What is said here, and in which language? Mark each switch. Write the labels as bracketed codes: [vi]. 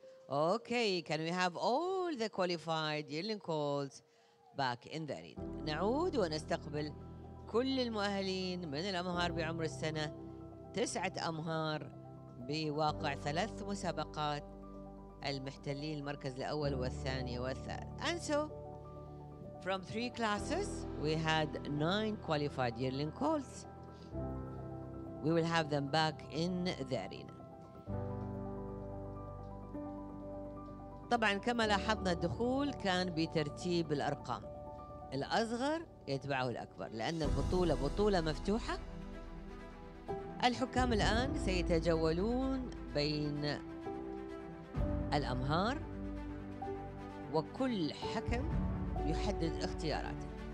[en] Okay, can we have all the qualified yearling calls back in the arena? [ar] نعود ونستقبل كل المؤهلين من الأمهار بعمر السنة 9 أمهار بواقع 3 مسابقات المحتلين المركز الأول والثاني والثالث. [en] And so, from 3 classes, we had 9 qualified yearling calls. We will have them back in the arena. [ar] طبعا كما لاحظنا الدخول كان بترتيب الأرقام، الأصغر يتبعه الأكبر، لأن البطولة بطولة مفتوحة. الحكام الآن سيتجولون بين الأمهار وكل حكم يحدد اختياراته.